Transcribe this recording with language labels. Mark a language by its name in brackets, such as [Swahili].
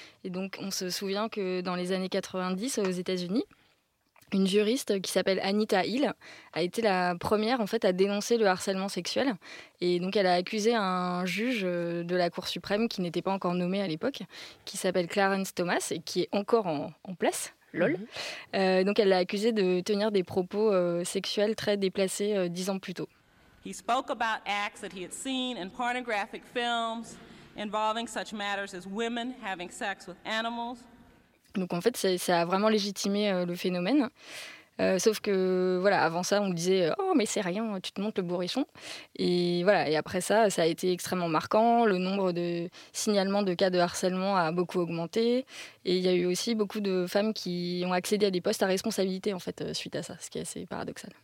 [French] Et donc on se souvient que dans les années 90, aux États-Unis, une juriste qui s'appelle Anita Hill a été la première en fait à dénoncer le harcèlement sexuel et donc elle a accusé un juge de la Cour suprême qui n'était pas encore nommé à l'époque, qui s'appelle Clarence Thomas et qui est encore en place. Lol. Donc elle l'a accusé de tenir des propos sexuels très déplacés 10 ans plus tôt. [English] He spoke about acts that he had seen in pornographic films involving such matters as women having sex with animals. [French] Donc en fait, ça a vraiment légitimé le phénomène. Sauf que, voilà, avant ça, on disait « Oh, mais c'est rien, tu te montes le bourrichon ». Et voilà, et après ça, ça a été extrêmement marquant. Le nombre de signalements de cas de harcèlement a beaucoup augmenté. Et il y a eu aussi beaucoup de femmes qui ont accédé à des postes à responsabilité, en fait, suite à ça, ce qui est assez paradoxal.